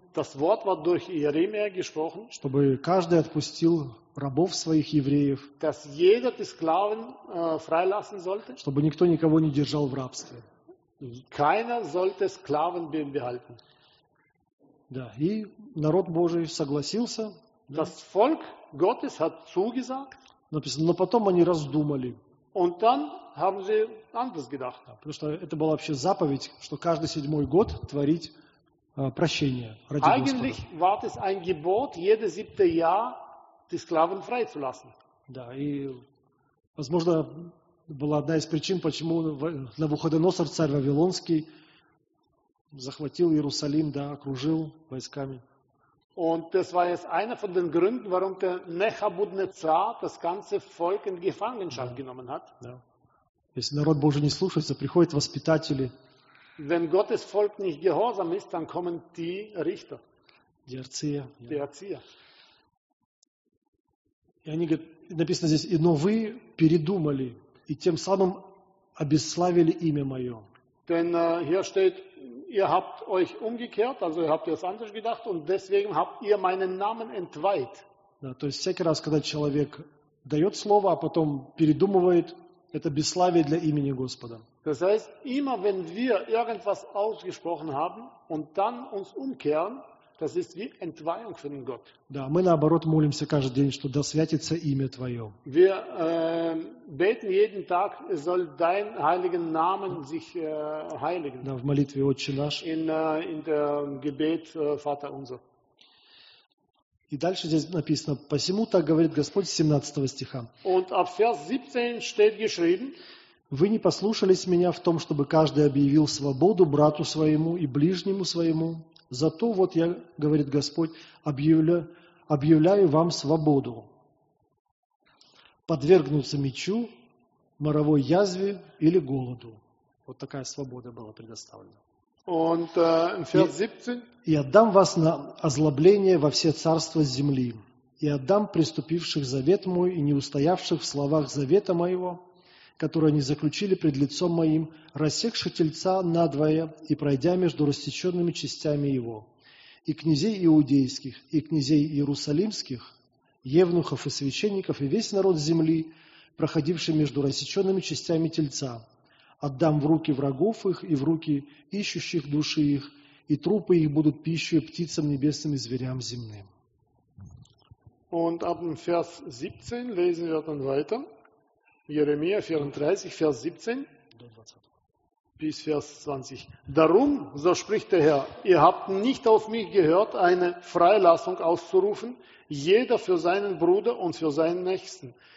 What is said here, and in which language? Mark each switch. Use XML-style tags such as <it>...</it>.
<de>das Wort war durch Иеремия gesprochen,</de> <ru>чтобы каждый отпустил рабов своих евреев,</ru> <de>dass jeder die Sklaven, freilassen sollte,</de> <ru>чтобы никто никого не держал в рабстве.</ru> <de>Keiner sollte Sklaven behalten.</de> <ru>Да, и народ Божий согласился.</ru> <de>Das Volk Gottes hat zugesagt,</de> <ru>написано, но потом они раздумали.</ru> <de>Und dann haben sie anders gedacht.</de> <ru>Потому что это была вообще заповедь, что каждый седьмой год творить прощение ради</ru> <de>Eigentlich</de> <ru>Господа.</ru> <de>War das ein Gebot, jedes siebte Jahr die Sklaven freizulassen.</de> <ru>Да, и, возможно, была одна из причин, почему Навуходоносор, царь Вавилонский, захватил Иерусалим, да, окружил войсками.</ru> <de>Und das war jetzt einer von den Gründen, warum der Nechabudnezar das ganze Volk in Gefangenschaft genommen hat. Ja.</de> <ru>Если народ Божий не слушается, приходят воспитатели.</ru> <de>Wenn Gottes Volk nicht gehorsam ist, dann kommen die Richter. Die Erzieher. Die Erzieher.</de> <ru>И они, написано здесь, но вы передумали, и тем самым обесславили имя мое.</ru> <de>Denn hier steht, ihr habt euch umgekehrt, also ihr habt ihr es anders gedacht und deswegen habt ihr meinen Namen entweiht.</de> <ru>Да, то есть всякий раз, когда человек дает слово, а потом передумывает, это бесславие для имени Господа.</ru> <de>Das heißt, immer wenn wir irgendwas ausgesprochen haben und dann uns umkehren, das ist wie Entweihung für den Gott.</de> <ru>Да, мы наоборот молимся каждый день, что да святится имя Твое.</ru> <de>Wir beten jeden Tag, es soll dein heiligen Namen sich heiligen.</de> <ru>Да, в молитве Отче наш.</ru> <de>In der Gebet Vater unser.</de> <ru>И дальше здесь написано: «Посему так говорит Господь» 17 стиха.</ru> <de>Und ab Vers 17 steht geschrieben:</de> <ru>«Вы не послушались меня в том, чтобы каждый объявил свободу брату своему и ближнему своему. Зато вот я, говорит Господь, объявляю вам свободу. Подвергнуться мечу, моровой язве или голоду». Вот такая свобода была предоставлена.</ru> <de>Und, Vers 17.</de> <ru>«И отдам вас на озлобление во все царства земли, и отдам преступивших завет мой и не устоявших в словах завета моего, которые они заключили пред лицом моим, рассекших тельца надвое и пройдя между рассеченными частями его, и князей иудейских, и князей иерусалимских, евнухов и священников, и весь народ земли, проходивший между рассеченными частями тельца, отдам в руки врагов их и в руки ищущих души их, и трупы их будут пищей птицам небесным и зверям земным».</ru> <de>Und ab Vers 17 lesen wir dann weiter. Jeremia 34, Vers 17 bis Vers 20. Darum, so spricht der Herr, ihr habt nicht auf mich gehört, eine Freilassung auszurufen, jeder für seinen Bruder und für seinen Nächsten.</de>